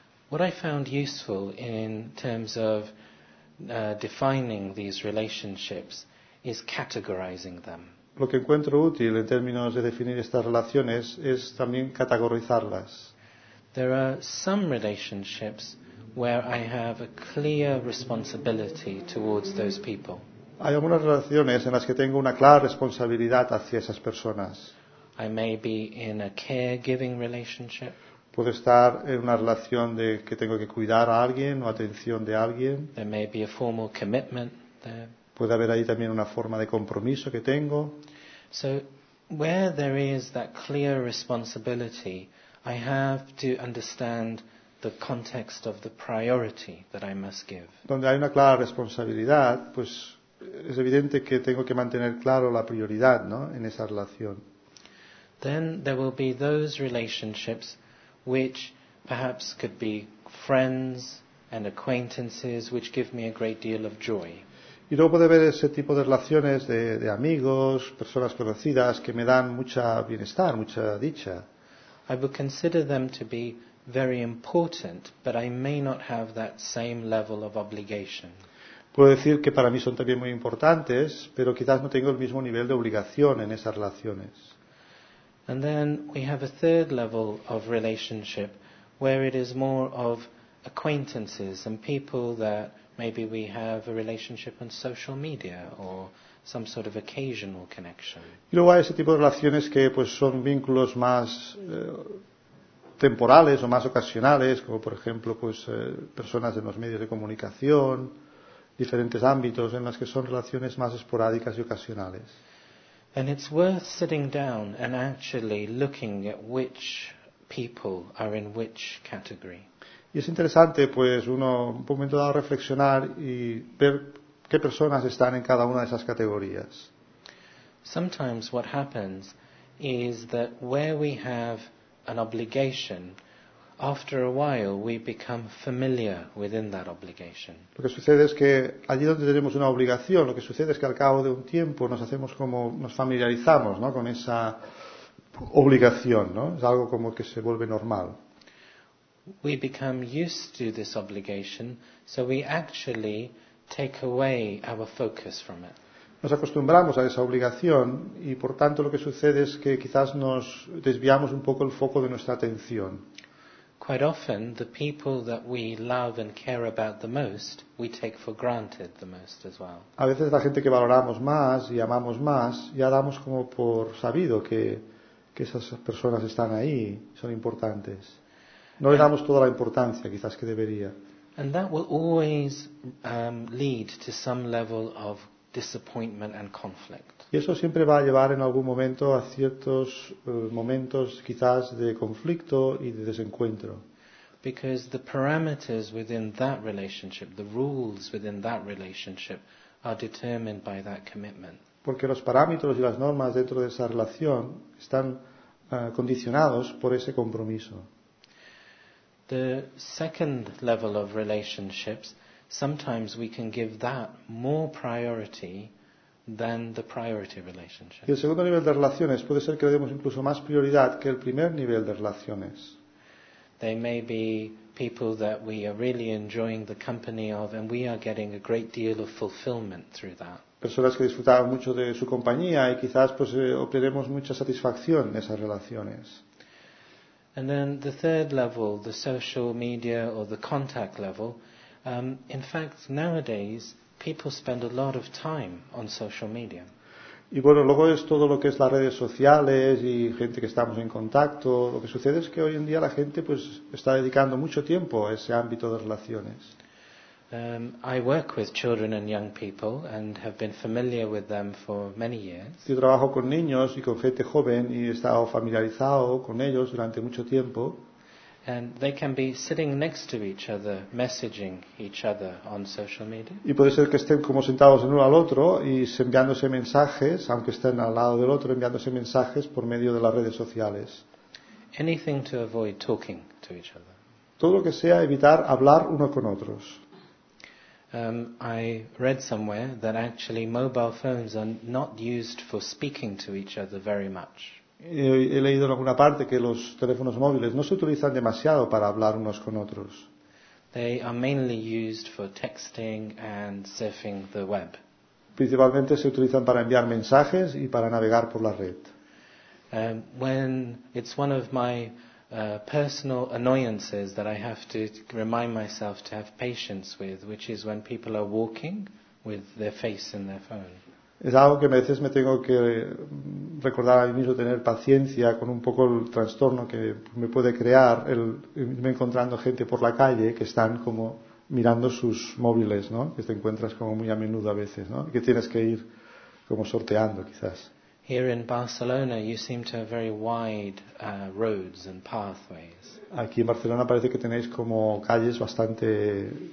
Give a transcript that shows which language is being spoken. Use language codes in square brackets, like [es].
[en] What I found useful in terms of defining these relationships is categorizing them. [es] Lo que encuentro útil en términos de definir estas relaciones es también categorizarlas. [en] There are some relationships where I have a clear responsibility towards those people. [es] Hay algunas relaciones en las que tengo una clara responsabilidad hacia esas personas. [en] I may be in a caregiving relationship. [es] Puedo estar en una relación de que tengo que cuidar a alguien o atención de alguien. [en] There may be a formal commitment there. [es] Puede haber ahí también una forma de compromiso que tengo. [en] So, where there is that clear responsibility, I have to understand the context of the priority that I must give. [es] Donde hay una clara responsabilidad, pues es evidente que tengo que mantener claro la prioridad, ¿no?, en esa relación. [en] Then there will be those relationships which perhaps could be friends and acquaintances which give me a great deal of joy. [es] Y luego puede haber ese tipo de relaciones de amigos, personas conocidas que me dan mucha bienestar, mucha dicha. [en] I would consider them to be very important, but I may not have that same level of obligation. [es] Puedo decir que para mí son también muy importantes, pero quizás no tengo el mismo nivel de obligación en esas relaciones. [en] And then we have a third level of relationship where it is more of acquaintances and people that maybe we have a relationship on social media or some sort of occasional connection. [es] Y luego hay ese tipo de relaciones que pues son vínculos más temporales o más ocasionales, como por ejemplo pues personas de los medios de comunicación, diferentes ámbitos en los que son relaciones más esporádicas y ocasionales. [en] And it's worth sitting down and actually looking at which people are in which category. [es] Y es interesante, pues, uno un momento dado reflexionar y ver qué personas están en cada una de esas categorías. [en] Sometimes what happens is that where we have an obligation, after a while we become familiar within that obligation. [es] Lo que sucede es que allí donde tenemos una obligación, lo que sucede es que al cabo de un tiempo nos hacemos como nos familiarizamos, ¿no?, con esa obligación, ¿no? Es algo como que se vuelve normal. [en] We become used to this obligation, so we actually take away our focus from it. [es] Nos acostumbramos a esa obligación y por tanto lo que sucede es que quizás nos desviamos un poco el foco de nuestra atención. [en] Quite often, the people that we love and care about the most, we take for granted the most as well. [es] A veces la gente que valoramos más y amamos más, ya damos como por sabido que esas personas están ahí, son importantes. No le damos toda la importancia, quizás que debería. [en] And that will always lead to some level of disappointment and conflict. [es] Y eso siempre va a llevar en algún momento a ciertos momentos quizás de conflicto y de desencuentro. [en] Because the parameters within that relationship, the rules within that relationship are determined by that commitment. [es] Porque los parámetros y las normas dentro de esa relación están condicionados por ese compromiso. [en] The second level of relationships, sometimes we can give that more priority than the priority relationship. [es] Y el segundo nivel de relaciones puede ser que le demos incluso más prioridad que el primer nivel de relaciones. [en] They may be people that we are really enjoying the company of and we are getting a great deal of fulfillment through that. [es] Personas que disfrutamos mucho de su compañía y quizás pues obtenemos mucha satisfacción en esas relaciones. [en] And then the third level, the social media or the contact level. In fact, nowadays people spend a lot of time on social media. [es] Y bueno, luego es todo lo que es las redes sociales y gente que estamos en contacto. Lo que sucede es que hoy en día la gente pues está dedicando mucho tiempo a ese ámbito de relaciones. [en] I work with children and young people and have been familiar with them for many years. [es] Yo trabajo con niños y con gente joven y he estado familiarizado con ellos durante mucho tiempo. [en] And they can be sitting next to each other, messaging each other on social media. [es] Y puede ser que estén como sentados el uno al otro y enviándose mensajes, aunque estén al lado del otro, enviándose mensajes por medio de las redes sociales. [en] Anything to avoid talking to each other. [es] Todo lo que sea evitar hablar uno con otros. [en] I read somewhere that actually mobile phones are not used for speaking to each other very much. [es] He leído en alguna parte que los teléfonos móviles no se utilizan demasiado para hablar unos con otros. [en] They are mainly used for texting and surfing the web. [es] Principalmente se utilizan para enviar mensajes y para navegar por la red. [en] When it's one of my personal annoyances that I have to remind myself to have patience with, which is when people are walking with their face in their phone. [es] Es algo que a veces me tengo que recordar a mí mismo tener paciencia con un poco el trastorno que me puede crear el irme encontrando gente por la calle que están como mirando sus móviles, ¿no? Que te encuentras como muy a menudo a veces, ¿no? Y que tienes que ir como sorteando quizás. [en] Here in Barcelona, you seem to have very wide roads and pathways. [es] Aquí en Barcelona parece que tenéis como calles bastante